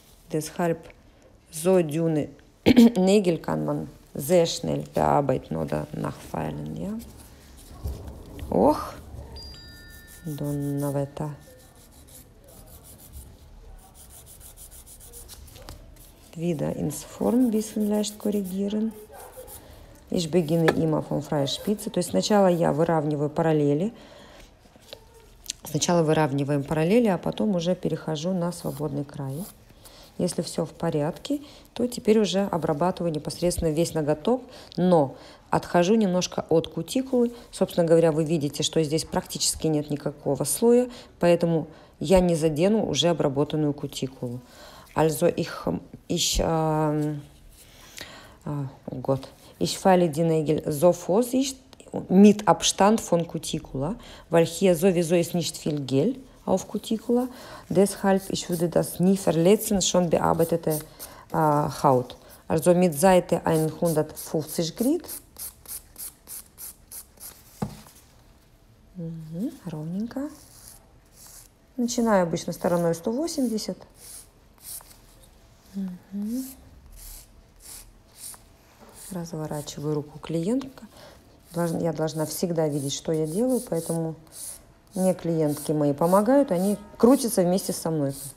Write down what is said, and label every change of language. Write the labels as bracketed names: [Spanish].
[German] Deshalb so dünne Nägel kann man sehr schnell bearbeiten oder nachfeilen, ja. Och, Donnerwetter. Wieder ins Form ein bisschen leicht korrigieren. Ich beginne immer von freier Spitze. [Russian] То есть сначала я выравниваю параллели. Сначала выравниваем параллели, а потом уже перехожу на свободный край. Если все в порядке, то теперь уже обрабатываю непосредственно весь ноготок, но отхожу немножко от кутикулы. Собственно говоря, вы видите, что здесь практически нет никакого слоя, поэтому я не задену уже обработанную кутикулу. [German] Also ich Gott. Ich feile die Nägel so vorsichtig mit Abstand von Cuticula, weil hier sowieso ist nicht viel Gel auf Cuticula. Deshalb ich würde das nie verletzen, schon bearbeitete Haut. Also mit Seite 150 Grit. [Russian] Mhm, ровненько. Начинаю обычно стороной 180. Mhm. Разворачиваю руку клиентка. Я должна всегда видеть, что я делаю, поэтому мне клиентки мои помогают, они крутятся вместе со мной.